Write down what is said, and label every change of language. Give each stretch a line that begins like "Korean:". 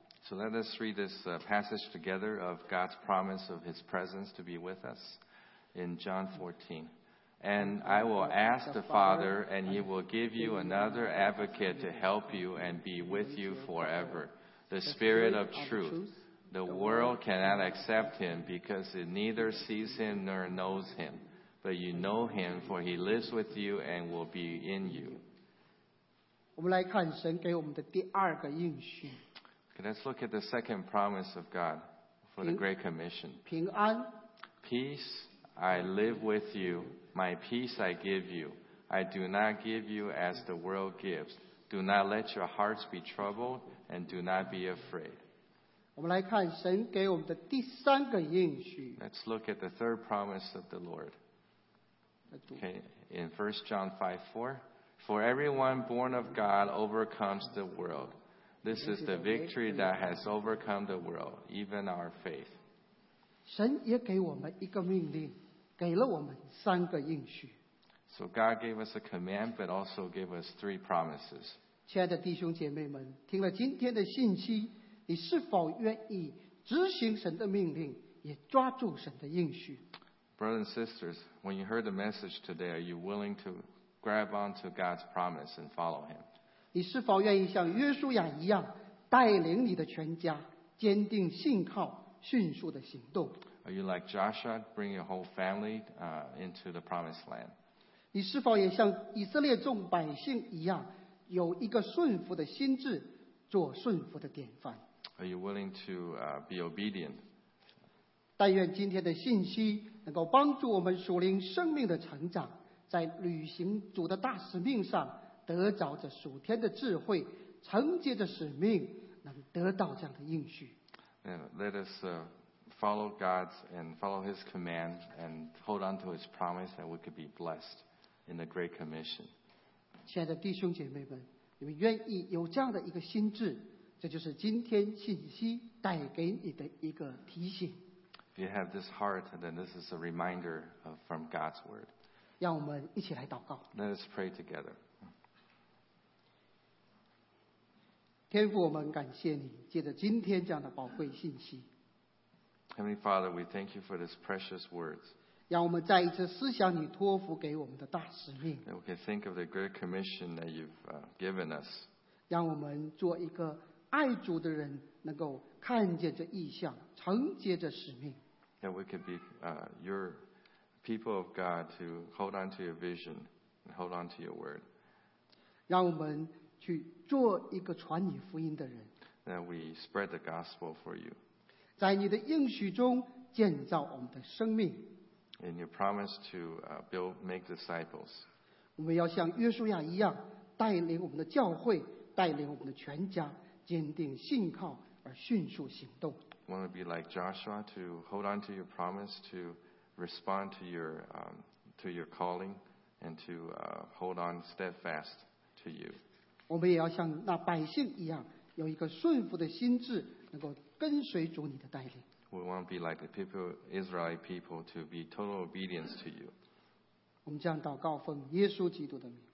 English: So let us read this passage together of God's promise of His presence to be with us in John 14. And I will ask the Father, and He will give you another advocate to help you and be with you forever, the Spirit of truth. The world cannot accept Him because it neither sees Him nor knows Him. But you know Him, for He lives with you and will be in you.
Chinese: 我们来看神给我们的第二个应许。
English: Let's look at the second promise of God for the Great Commission.
Chinese: 平安。
English: Peace I live with you. My peace I give you. I do not give you as the world gives. Do not let your hearts be troubled and do not be afraid.
Chinese: 我们来看神给我们的第三个应许。
English: Let's look at the third promise of the Lord. Okay, in 1 John 5:4, For everyone born of God overcomes the world. This is the victory that has overcome the world, even our faith.
Chinese: 神也给我们一个命令，给了我们三个应许。
English: So God gave us a command, but also gave us three promises.
Chinese: 亲爱的弟兄姐妹们，听了今天的信息，你是否愿意执行神的命令，也抓住神的应许？
English: Brothers and sisters, when you heard the message today, are you willing to grab onto God's promise and follow Him?
Chinese: 你是否愿意像约书亚一样带领你的全家坚定信靠迅速的行动？
English: Are you like Joshua, bring your whole family into the promised land?
Chinese: 你是否也像以色列众百姓一样有一个顺服的心智，做顺服的典范？
English: Are you willing to be obedient?
Chinese: 但愿今天的信息能够帮助我们属灵生命的成长，在履行主的大使命上得着这属天的智慧，承接着使命，能得到这样的应许。
English: Let us follow God and follow His command and hold on to His promise that we could be blessed in the Great Commission.
Chinese: 亲爱的弟兄姐妹们，你们愿意有这样的一个心智，这就是今天信息带给你的一个提醒。
English: If you have this heart, then this is a reminder from God's word.
Chinese: 让我们一起来祷告。
English: Let us pray together.
Chinese: 天父，我们感谢你，借着今天这样的宝贵信息。
English: Heavenly Father, we thank you for these precious words.
Chinese: 让我们再一次思想你托付给我们的大使命。
English: We can think of the great commission that you've given us.
Chinese: 让我们做一个爱主的人，能够看见这意象，承接这使命。
English: That we could be your people of God to hold on to your vision and hold on to your word.
Chinese: 让我们去做一个传你福音的人。
English: That we spread the gospel for you.
Chinese: 在你的应许中建造我们的生命。
English: In your promise to build, make disciples.
Chinese: 我们要像约书亚一样，带领我们的教会，带领我们的全家，坚定信靠而迅速行动。
English: I want to be like Joshua to hold on to your promise to respond to your calling and to hold on steadfast to you.
Chinese: 我们也要像那百姓一样，有一个顺服的心智，能够跟随主你的带领。
English: We want to be like the people, Israelite people, to be total obedience to you.
Chinese: 我们这样祷告，奉耶稣基督的名。